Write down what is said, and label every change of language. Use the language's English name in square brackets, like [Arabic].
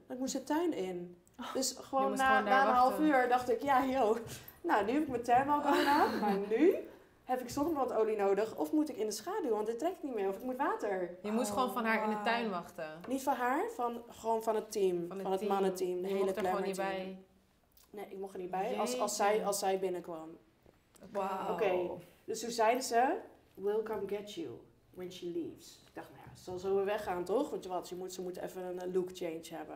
[Dutch] Ik moest de tuin in. Dus gewoon na een half uur dacht ik, ja joh, nou nu heb ik mijn thermal gedaan. Maar nu heb ik zonnebrandolie nodig. Of moet ik in de schaduw, want dit trekt niet meer. Of ik moet water. Je moest gewoon van haar in de tuin wachten. Niet van haar, van gewoon van het team. Van het mannenteam. Je mocht er gewoon niet bij. Nee, ik mocht er niet bij. Als zij binnenkwam. Wauw. Oké, dus toen zeiden ze, [English] we'll come get you when she leaves. [Dutch] Ik dacht, nou ja, ze zal zo weer weggaan, toch? Want ze moet even een look change hebben.